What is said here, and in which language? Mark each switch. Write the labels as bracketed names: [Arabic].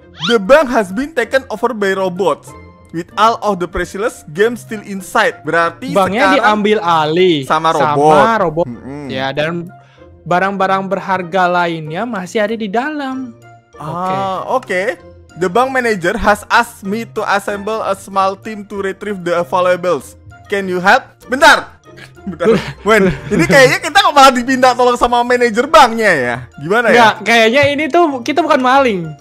[English] The bank has been taken over by robots. With all of the priceless gems still inside. [Indonesian] Berarti banknya sekarang diambil alih sama robot. Sama robot. Ya, dan barang-barang berharga lainnya masih ada di dalam. [English] Okay. The bank manager has asked me to assemble a small team to retrieve the valuables. Can you help? [Indonesian] Bentar. Wen, ini kayaknya kita kok malah dipinta tolong sama manajer banknya ya? Gimana ya? Nggak, kayaknya ini tuh kita bukan maling.